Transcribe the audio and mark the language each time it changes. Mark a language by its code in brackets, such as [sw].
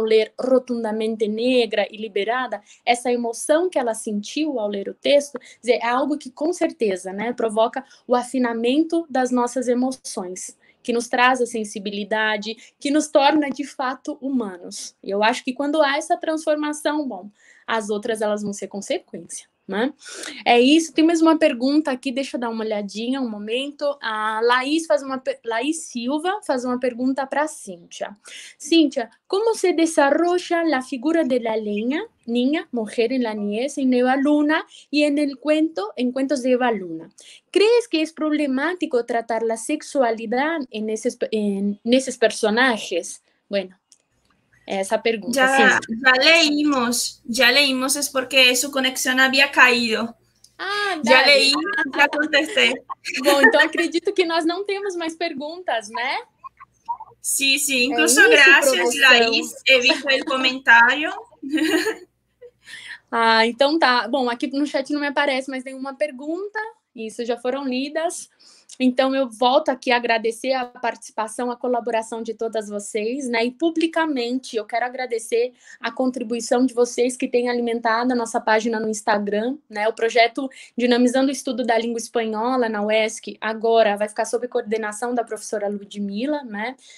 [pt] Ao ler Rotundamente Negra e Liberada, essa emoção que ela sentiu ao ler o texto, dizer, é algo que com certeza, né, provoca o afinamento das nossas emoções, que nos traz a sensibilidade, que nos torna de fato humanos. E eu acho que quando há essa transformação, bom, as outras elas vão ser consequência. É isso, tem mais uma pergunta aqui, deixa eu dar uma olhadinha um momento. A Laís Silva faz uma pergunta para a Cíntia. [es] Cíntia, como se desarrolla a figura de la leña, niña, mujer en la niñez, en Eva Luna y en el cuento, en cuentos de Eva Luna? ¿Crees que es problemático tratar la sexualidad en esos personajes? Bueno. Esa pregunta. Ya, sí. ya leímos, es porque su conexión había caído. Ah, ya leí, ya contesté. Bueno, entonces [pt] acredito que nós [es] no tenemos más preguntas, ¿no? Sí, sí, incluso gracias, Laís, evito el comentario. Ah, entonces, tá. Bueno, aquí [pt] no chat [es] no me aparece, mas ninguna pregunta, eso ya fueron [pt] lidas. Então, eu volto aqui a agradecer a participação, a colaboração de todas vocês, né? E publicamente eu quero agradecer a contribuição de vocês que têm alimentado a nossa página no Instagram, né? O projeto Dinamizando o Estudo da Língua Espanhola na UESC agora vai ficar sob coordenação da professora Ludmilla, né?